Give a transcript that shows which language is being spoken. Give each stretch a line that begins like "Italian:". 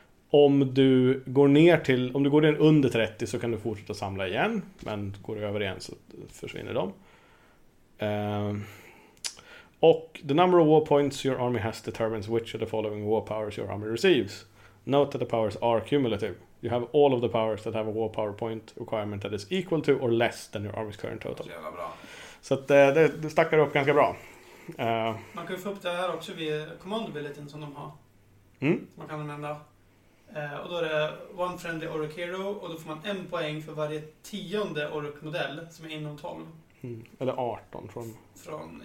Swedish: Om du går ner under 30 så kan du fortsätta samla igen. Men går du över igen så försvinner de.
English: Och the number of war points your army has determines which of the following war powers your army receives. Note that the powers are cumulative. You have all of the powers that have a war power point requirement that is equal to or less than your army's current total.
Swedish: Jävla bra. Så att, det stackar upp ganska bra. Man kan ju få upp det här också via command abilityn som de har. Mm. Man kan använda. Och då är det one friendly Orruk hero och då får man en poäng för varje tionde Orruk-modell som är inom 12. Mm. Eller 18 från